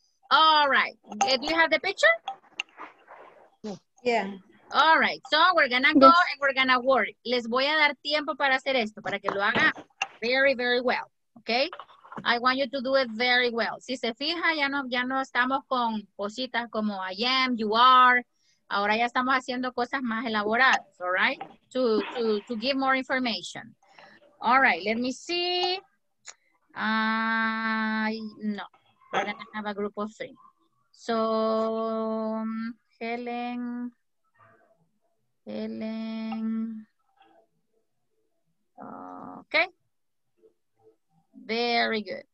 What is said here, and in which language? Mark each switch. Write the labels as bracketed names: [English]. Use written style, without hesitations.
[English] All right, do you have the picture? Yeah. All right, so we're gonna go and we're gonna work. [Spanish] Les voy a dar tiempo para hacer esto, para que lo haga [English] very, very well, okay? I want you to do it very well. [Spanish] Si se fija, ya no estamos con cositas como [English] I am, you are. [Spanish] Ahora ya estamos haciendo cosas más elaboradas, all right? [English] To give more information. All right, let me see. No, we're gonna have a group of three. So, Helen, okay. Very good.